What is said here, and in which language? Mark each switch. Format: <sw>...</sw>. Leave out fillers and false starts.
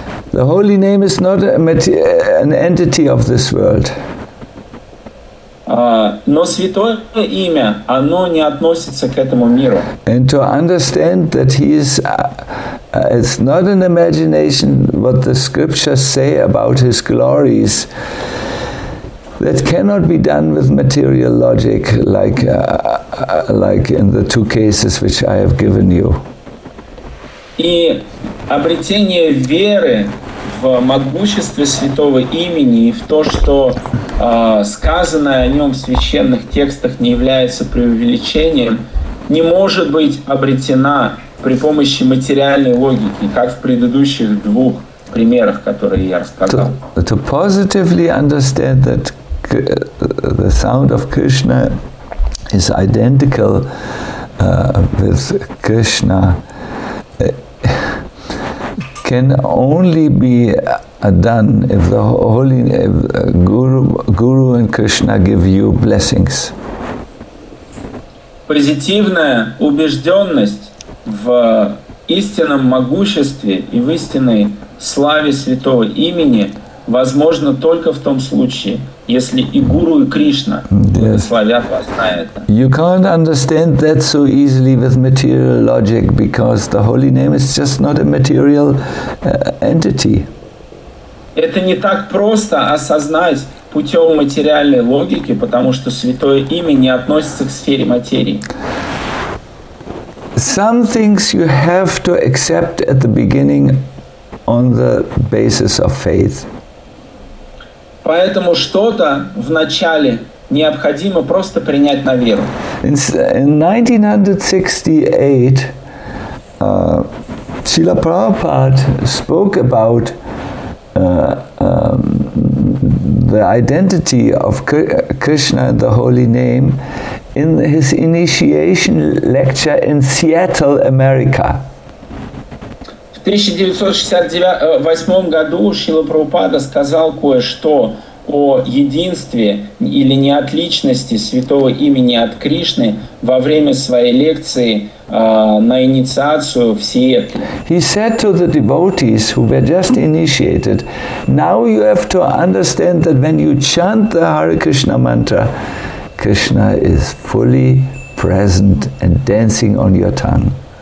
<en>The Holy Name is not an entity of this world.</en> <ru>Но святое имя, оно не относится к этому миру.</ru> <en>And to understand that he is, it's not an imagination what the scriptures say about his glories, that cannot be done with material logic like in the two cases which I have given you.</en> <ru>И обретение веры в могуществе святого имени и в то, что сказанное о нем в священных текстах не является преувеличением, не может быть обретена при помощи материальной логики, как в предыдущих двух примерах, которые я рассказал.</ru> <en>To positively understand that the sound of Krishna is identical with Krishna can only be done if the holy if Guru and Krishna give you blessings.</en> <ru>Позитивная убежденность в истинном могуществе и в истинной славе святого имени возможна только в том случае, если и Гуру, и Кришна благословят вас на это.</ru> <en>You can't understand that so easily with material logic because the Holy Name is just not a material entity.</en> <ru>Это не так просто осознать путем материальной логики, потому что святое имя не относится к сфере материи.</ru> <en>Some things you have to accept at the beginning on the basis of faith.</en> <ru>Поэтому что-то вначале необходимо просто принять на веру.</ru> <en>In 1968, Srila Prabhupada spoke about the identity of Krishna and the Holy Name in his initiation lecture in Seattle, America.</en> <ru>В 1968 году Шрила Прабхупада сказал кое-что о единстве или неотличности святого имени от Кришны во время своей лекции на инициацию в Сиэтле.</ru> <en>He said to the devotees who were just initiated, now you have to understand that when you chant the Hare Krishna mantra, Krishna is fully present and dancing on your tongue.</en>